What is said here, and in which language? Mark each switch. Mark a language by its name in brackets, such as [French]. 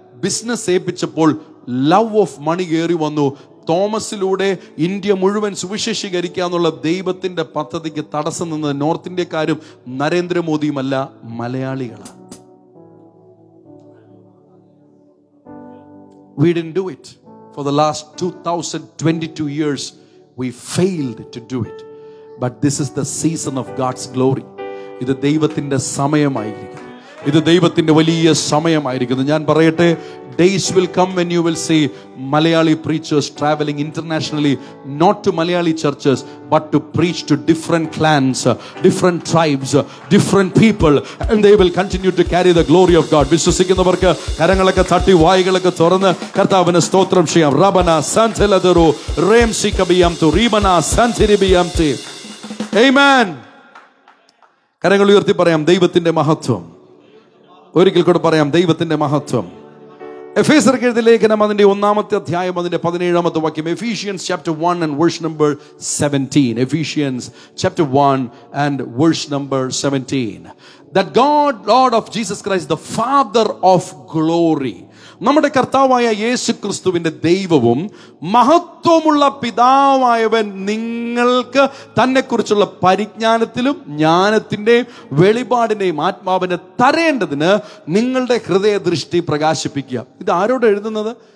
[Malayalam] Business ചെയ്യിപ്പിച്ചപ്പോൾ [English] love of money [Malayalam] കയറി വന്നു. തോമസിലൂടെ India മുഴുവൻ സുവിശേഷീകരിക്കുക എന്നുള്ള ദൈവത്തിന്റെ പദ്ധതിക്ക് തടസ്സം നിന്ന് നോർത്ത് ഇന്ത്യക്കാരും നരേന്ദ്രമോദിയുമല്ല, മലയാളികളാണ്. [English] We didn't do it. For the last 2022 years, we failed to do it. But this is the season of God's glory. [Malayalam] ഇത് ദൈവത്തിന്റെ സമയമായിരിക്കുന്നു, ഇത് ദൈവത്തിന്റെ വലിയ സമയമായിരിക്കുന്നു. ഞാൻ പറയട്ടെ, [English] days will come when you will see Malayali preachers traveling internationally, not to Malayali churches, but to preach to different clans, different tribes, different people, and they will continue to carry the glory of God. [Malayalam] വിശ്വസിക്കുന്നവർക്ക് കരങ്ങളൊക്കെ തട്ടി വായികളൊക്കെ തുറന്ന് കർത്താവിന് സ്തോത്രം ചെയ്യാം. റബന സന്തലദറു റേംസി കബിയംതു റീമന സന്തിരിബിയംതി. ആമേൻ. കരങ്ങൾ ഉയർത്തി പറയാം ദൈവത്തിന്റെ മഹത്വം. ഒരിക്കൽ കൂടെ പറയാം ദൈവത്തിന്റെ മഹത്വം. എഫേസർ എഴുതിയ ലേഖനം അതിന്റെ ഒന്നാമത്തെ അധ്യായം അതിന്റെ 17-ാമത്തെ വാക്യം. [English] Ephesians chapter 1 and verse number 17. Ephesians chapter 1 and verse number 17. That God, Lord of Jesus Christ, the Father of Glory. [Malayalam] നമ്മുടെ കർത്താവായ യേശു ക്രിസ്തുവിന്റെ ദൈവവും മഹത്വമുള്ള പിതാവായവൻ നിങ്ങൾക്ക് തന്നെ കുറിച്ചുള്ള പരിജ്ഞാനത്തിലും ജ്ഞാനത്തിന്റെയും വെളിപാടിന്റെയും ആത്മാവിനെ തരേണ്ടതിന് നിങ്ങളുടെ ഹൃദയ ദൃഷ്ടി പ്രകാശിപ്പിക്കുക. ഇത് ആരോട് എഴുതുന്നത്?